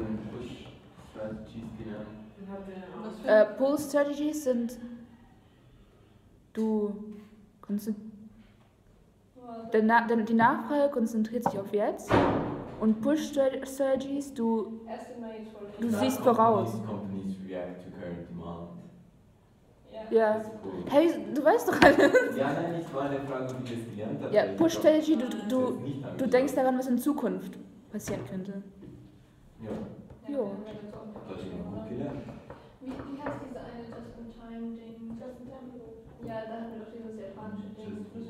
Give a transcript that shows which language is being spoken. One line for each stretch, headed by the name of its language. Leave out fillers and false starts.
German: and Push Strategies genannt. Pull Strategies sind... Du... Kannst du... Die Nachfrage konzentriert sich auf jetzt und Push-Strategies, du siehst voraus.
English: Companies react to current demand.
German: Ja. Yeah. Hey, du weißt doch alles. Ja, nein, ich war eine Frage, wie du das gelernt hast. Ja, Push-Strategy, du denkst daran, was in Zukunft passieren könnte. Ja. Jo. Das hast du gut gelernt. Wie heißt diese eine Just-in-Time-Ding? Just-in-Time? Ja, da haben wir doch dieses japanische Ding.